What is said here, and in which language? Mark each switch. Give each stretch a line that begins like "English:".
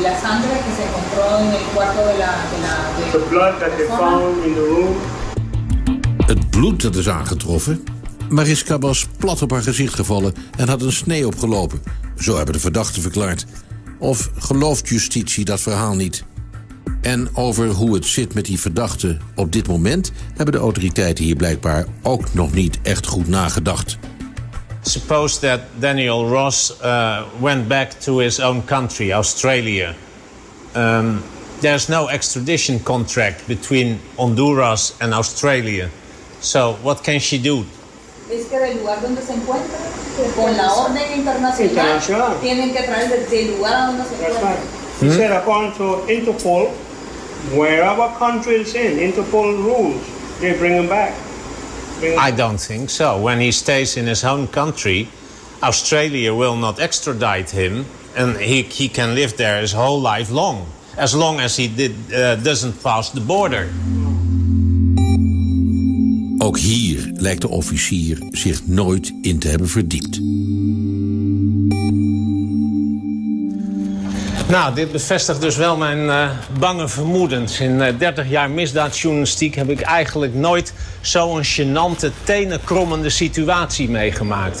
Spanish: La sangre que se encontró en el cuarto de la
English: the blood that they found in the room.
Dutch: Het bloed dat is aangetroffen. Mariska was plat op haar gezicht gevallen en had een snee opgelopen. Zo hebben de verdachten verklaard. Of gelooft justitie dat verhaal niet? En over hoe het zit met die verdachten op dit moment hebben de autoriteiten hier blijkbaar ook nog niet echt goed nagedacht.
English: Suppose that Daniel Ross went back to his own country, Australia. There's no extradition contract between Honduras and Australia. So what can she do?
Spanish: Es que del lugar donde se encuentra, con la orden internacional, tienen que traer desde el lugar donde se encuentra.
English: She said according to Interpol, wherever country is in, Interpol rules, they bring him back. I don't think so. When he stays in his home country, Australia will not extradite him, and he can live there his whole life long as he doesn't pass the border.
Dutch: Ook hier lijkt de officier zich nooit in te hebben verdiept. Nou, dit bevestigt dus wel mijn bange vermoedens. In 30 jaar misdaadjournalistiek heb ik eigenlijk nooit zo'n gênante, tenenkrommende situatie meegemaakt.